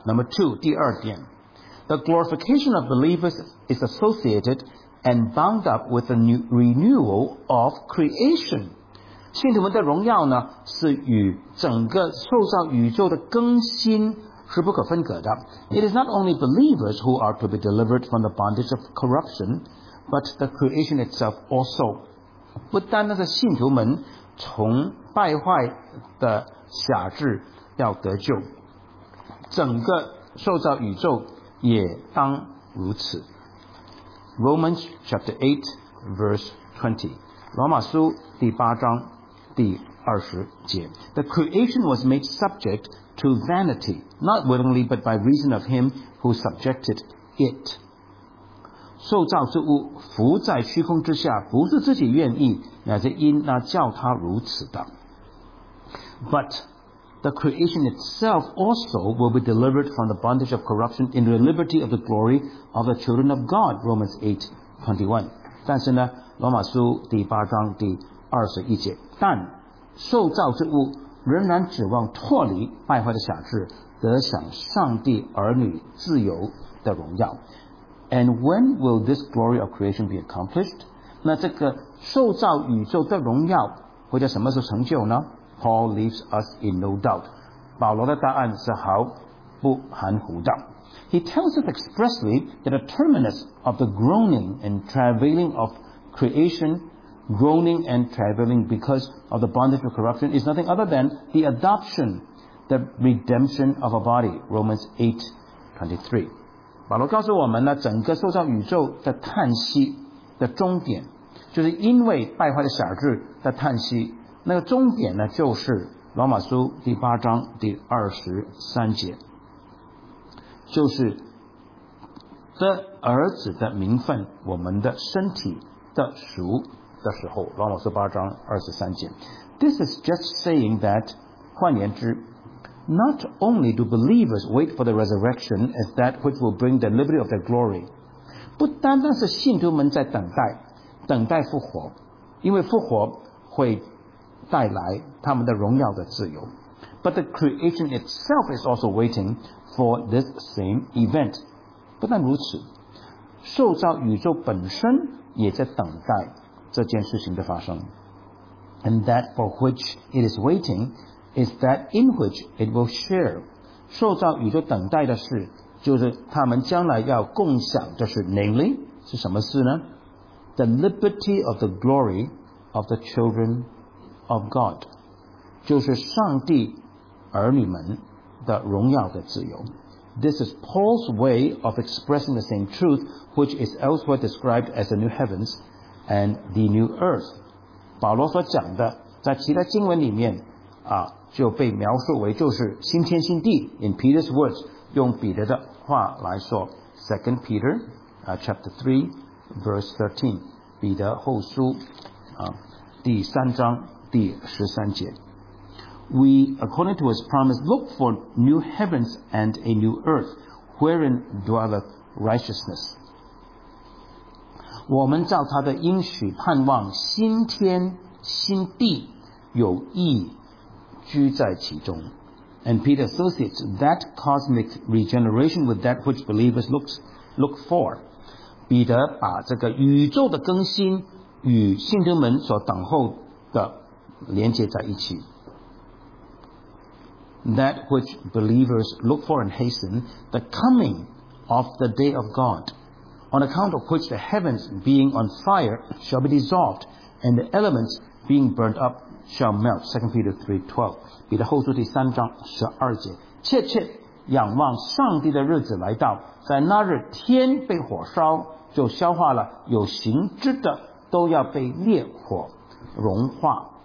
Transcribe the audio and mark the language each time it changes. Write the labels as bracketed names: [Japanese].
[English] Number two， [Chinese] 第二点 [English] ，The glorification of believers is associated and bound up with the renewal of creation。 [Chinese] 信徒们的荣耀呢，是与整个受造宇宙的更新是不可分割的。 [English] It is not only believers who are to be delivered from the bondage of corruption, but the creation itself also. [Chinese] 不单单是信徒们从败坏的辖制要得救，整个受造宇宙也当如此。 [English] Romans chapter 8 verse 20， [Chinese] 罗马书第八章第二十节。 [English] The creation was made subject to vanity, not willingly but by reason of him who subjected it. [Chinese] 受造之物浮在虚空之下，不是自己愿意，乃是因那叫他如此的。 [English] But the creation itself also will be delivered from the bondage of corruption into the liberty of the glory of the children of God. Romans 8:21. [Chinese] 但是呢，罗马书第八章第二十一节，但受造之物仍然指望脱离败坏的辖制，得享上帝儿女自由的荣耀。 [English] And when will this glory of creation be accomplished? [Chinese] 那这个受造宇宙的荣耀会在什么时候成就呢？ [English] Paul leaves us in no doubt. [Chinese] 保罗的答案是毫不含糊的。 [English] He tells us expressly that the terminus of the groaning and travailing of creationGroaning and traveling because of the bondage of corruption is nothing other than the adoption, the redemption of a body. Romans 8:23. [Chinese] 保罗告诉我们呢，整个受造宇宙的叹息的终点，就是因为败坏的辖制的叹息。那个终点呢，就是罗马书第八章第二十三节，就是的儿子的名分，我们的身体的属。的时候，罗马书八章二十三节。 [English] This is just saying that, [Chinese] 换言之 [English] ，not only do believers wait for the resurrection as that which will bring the liberty of their glory， [Chinese] 不单单是信徒们在等待复活，因为复活会带来他们的荣耀的自由。 [English] But the creation itself is also waiting for this same event。 [Chinese] 不但如此，受造宇宙本身也在等待。这件事情的发生。 [English] And that for which it is waiting is that in which it will share. [Chinese] 受造宇宙等待的事就是他们将来要共享的事。 [English] Namely, [Chinese] 是什么事呢？ [English] The liberty of the glory of the children of God. [Chinese] 就是上帝儿女们的荣耀的自由。 [English] This is Paul's way of expressing the same truth which is elsewhere described as the new heavens. And the new earth， [Chinese] 保罗所讲的，在其他经文里面啊，就被描述为就是新天新地。 [English] In Peter's words， [Chinese] 用彼得的话来说 [English] ，Second Peter， chapter 3 verse 13， [Chinese] 彼得后书啊，第三章第十三节。 [English] We according to his promise look for new heavens and a new earth wherein dwelleth righteousness。 [Chinese] 我们照他的应许盼望新天新地有义居在其中。 [English] And Peter associates that cosmic regeneration with that which believers look for. [Chinese] 彼得把这个宇宙的更新与信徒们所等候的连接在一起。 [English] That which believers look for and hasten, the coming of the day of GodOn account of which the heavens being on fire shall be dissolved, and the elements being burnt up shall melt. 2 Peter 3:12. [Chinese] 彼得后书第三章十二节，切切仰望上帝的日子来到，在那日天被火烧，就消化了，有形之的都要被烈火融化。